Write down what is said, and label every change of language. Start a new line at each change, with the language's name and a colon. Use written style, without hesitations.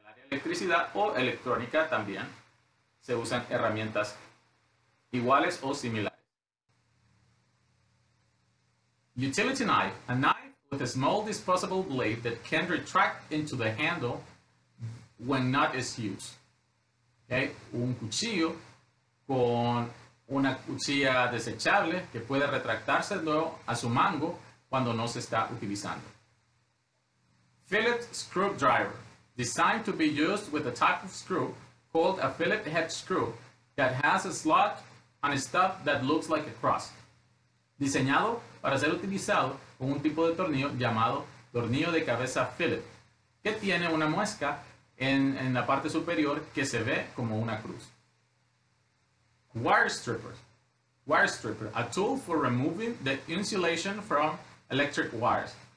Spanish: Electricidad o electrónica también se usan herramientas iguales o similares.
English: Utility knife, a knife with a small disposable blade that can retract into the handle when not is used.
Spanish: Un cuchillo con una cuchilla desechable que puede retractarse luego a su mango cuando no se está utilizando.
English: Phillips screwdriver, designed to be used with a type of screw called a Phillips head screw that has a slot and a stub that looks like a cross.
Spanish: Diseñado para ser utilizado con un tipo de tornillo llamado tornillo de cabeza Phillips, que tiene una muesca en la parte superior que se ve como una cruz.
English: Wire stripper, a tool for removing the insulation from electric wires.